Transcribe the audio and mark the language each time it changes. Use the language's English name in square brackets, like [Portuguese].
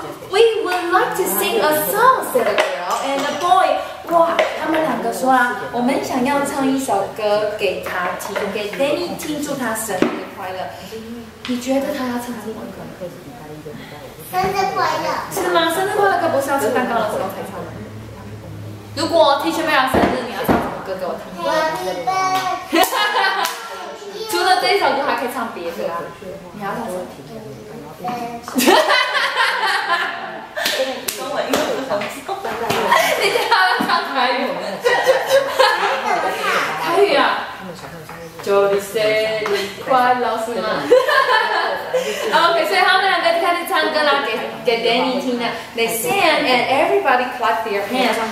[English] We would like to sing a song, said the girl and the boy. [Chinese] 哇，他们两个说啊，我们想要唱一首歌给他听，给 Danny 庆祝他生日快乐。你觉得他要唱什么歌？生日快乐。是吗？生日快乐歌不是要吃蛋糕的时候才唱的。如果 Teacher Bear 生日，你要唱什么歌给我听 [English] ？Happy Birthday. [Chinese] 除了这首歌，还可以唱别的啊！你要唱什么？你最好要唱台语。台语啊！就你生日快乐是吗？ OK， 所以他们两个就开始唱歌啦，给 Danny 听的。 [English] They sing and everybody clap their hands。